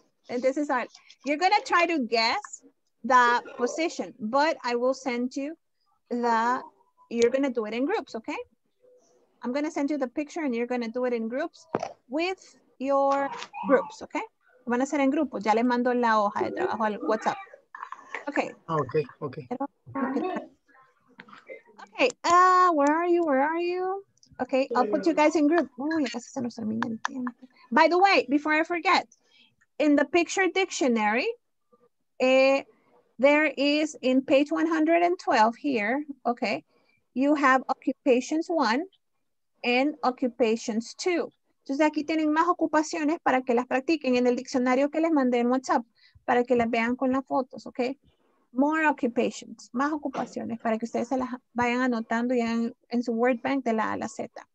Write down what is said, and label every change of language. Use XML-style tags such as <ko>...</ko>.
<en>And this is our, you're going to try to guess the position, but I will send you the, you're going to do it in groups, okay? I'm going to send you the picture and you're going to do it in groups with your groups, okay?</en> <es>Van a ser en grupo. Ya les mando la hoja de trabajo al WhatsApp.</es> <en>Okay. Okay. Okay. Okay. Where are you? Where are you? Okay, I'll put you guys in group. By the way, before I forget, in the picture dictionary, there is in page 112 here, okay, you have occupations one and occupations two.</en> <es>Entonces aquí tienen más ocupaciones para que las practiquen en el diccionario que les mandé en WhatsApp, para que las vean con las fotos, okay?</es> <en>More occupations,</en> <es>más ocupaciones para que ustedes se las vayan anotando ya en su word bank de la A a la Z.</es>